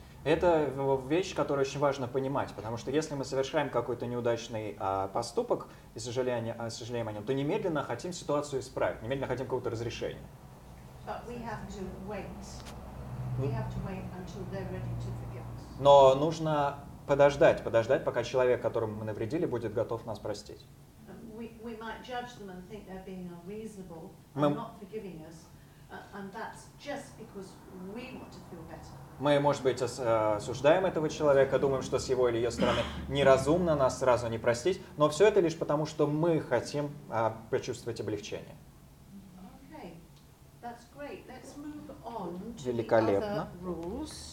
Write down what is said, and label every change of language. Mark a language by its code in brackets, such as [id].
[ru] Это вещь, которую очень важно понимать, потому что если мы совершаем какой-то неудачный поступок и сожалеем о нем, то немедленно хотим ситуацию исправить, немедленно хотим какого-то разрешения. [en] But we have to wait. We have to wait until they're ready to forgive us. [ru] Но нужно подождать, пока человек, которому мы навредили, будет готов нас простить. [en] We might judge them and think they're being unreasonable and not forgiving us, and that's just because we want to feel better. [ru] Мы, может быть, осуждаем этого человека, думаем, что с его или ее стороны неразумно нас сразу не простить, но все это лишь потому, что мы хотим почувствовать облегчение. [en] Okay, that's great. Let's move on to the [ru] великолепно. [en] Other rules.